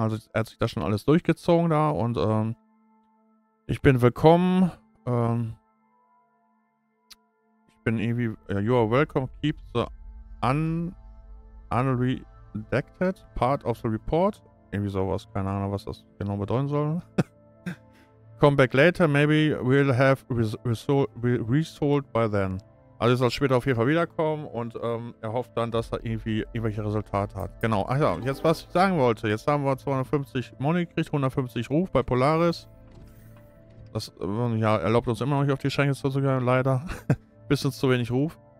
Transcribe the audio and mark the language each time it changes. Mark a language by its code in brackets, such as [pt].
[de] Also er hat sich da schon alles durchgezogen da und ich bin willkommen. Ich bin irgendwie, [en] you are welcome, keep the unredacted part of the report. [de] Irgendwie sowas, keine Ahnung, was das genau bedeuten soll. [en] Come back later, maybe we'll have resolved by then. [de] Also er soll später auf jeden Fall wiederkommen und er hofft dann, dass er irgendwie irgendwelche Resultate hat. Genau, ach ja, jetzt was ich sagen wollte. Jetzt haben wir 250 Money gekriegt, 150 Ruf bei Polaris. Das erlaubt uns immer noch nicht auf die Schränke zu gehen, leider. Bisschen zu wenig Ruf.